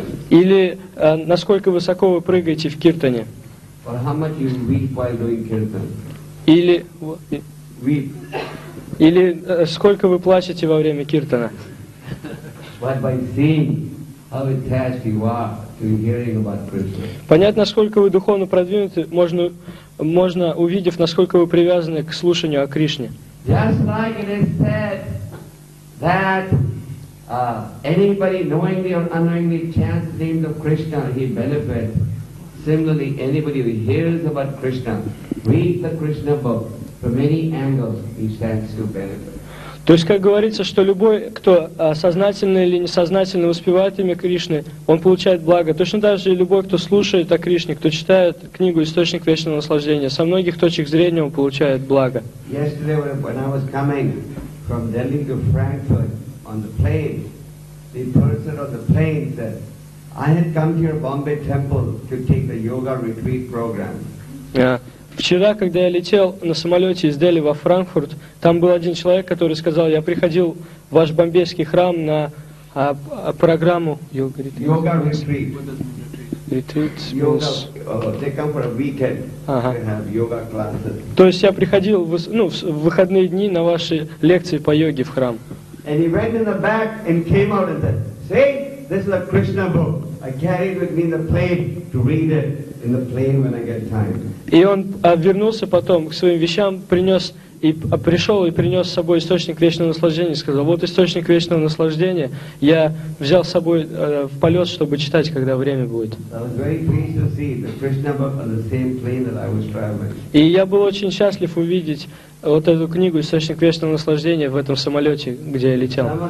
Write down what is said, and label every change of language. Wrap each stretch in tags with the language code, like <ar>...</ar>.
<ru>Или насколько высоко вы прыгаете в киртане.</ru> <en>Or how much you weep while doing kirtan.</en> <ru>Или сколько вы плачете во время киртана.</ru> <en>But by seeing how attached you are to hearing about Krishna.</en> <ru>Понять, насколько вы духовно продвинуты, можно увидев, насколько вы привязаны к слушанию о Кришне.</ru> <en>Just like it is said that anybody knowingly or unknowingly chants the name of Krishna, he benefits. Similarly, anybody who hears about Krishna, reads the Krishna book from many angles, he stands to benefit.</en> <ru>То есть, как говорится, что любой, кто сознательно или несознательно воспевает имя Кришны, он получает благо. Точно так же и любой, кто слушает о Кришне, кто читает книгу «Источник вечного наслаждения», со многих точек зрения он получает благо.</ru> <en>Yesterday, when I was coming from Delhi to Frankfurt on the plane, the person on the plane said, I had come to your Bombay temple to take the yoga retreat program.</en> <ru>Вчера, когда я летел на самолете из Дели во Франкфурт, там был один человек, который сказал, я приходил в ваш бомбейский храм на программу йога ретрит. Йога ретрит. Ретрит.</ru> <en>They come for a weekend to have yoga classes.</en> <ru>То есть я приходил в выходные дни на ваши лекции по йоге в храм.</ru> <en>And he went in the back and came out and said, see? This is a Krishna book. I carry it with me in the plane to read it in the plane when I get time.</en> <ru>И он вернулся потом к своим вещам, принес и пришел и принес с собой источник вечного наслаждения. Сказал, вот источник вечного наслаждения. Я взял с собой в полет, чтобы читать, когда время будет.</ru> <en>I was very pleased to see the Krishna book on the same plane that I was traveling.</en> <ru>И я был очень счастлив увидеть вот эту книгу «Источник вечного наслаждения» в этом самолете, где я летел.</ru>